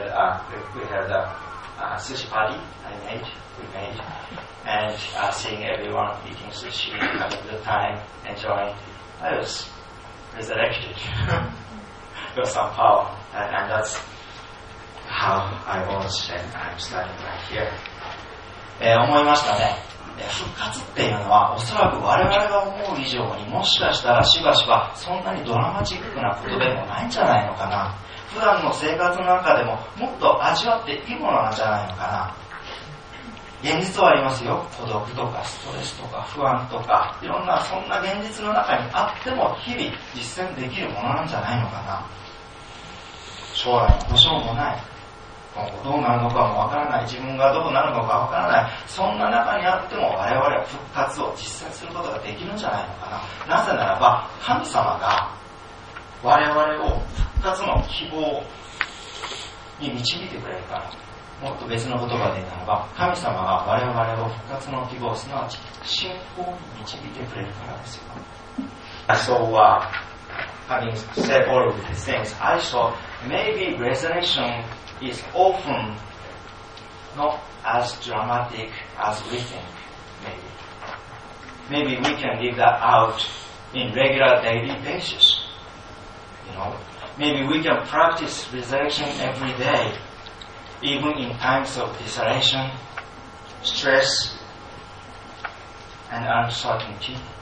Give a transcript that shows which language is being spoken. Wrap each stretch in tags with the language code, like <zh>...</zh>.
<en>We held a sushi party we made, and seeing everyone eating sushi, having a good time, enjoying, I was resurrected with some power, and that's how I was, and I'm standing right here.</en> <ja>思いましたね。復活っていうのは、おそらく我々が思う以上にもしかしたらしばしばそんなにドラマチックなことでもないんじゃないのかな。普段の生活の中でももっと味わっていいものなんじゃないのかな。現実はありますよ。孤独とかストレスとか不安とかいろんなそんな現実の中にあっても日々実践できるものなんじゃないのかな。将来の保証もない、どうなるのかもわからない、自分がどうなるのかわからない、そんな中にあっても我々は復活を実践することができるんじゃないのかな。なぜならば神様が我々を復活の希望に導いてくれるから。もっと別の言葉で言うならば、神様が我々を復活の希望、すなわち信仰に導いてくれるからですよ。</ja> <en>So having said all of these things, I thought maybe resurrectionis often not as dramatic as we think, maybe. Maybe we can live that out in regular daily basis, Maybe we can practice resurrection every day, even in times of desolation, stress, and uncertainty.</en>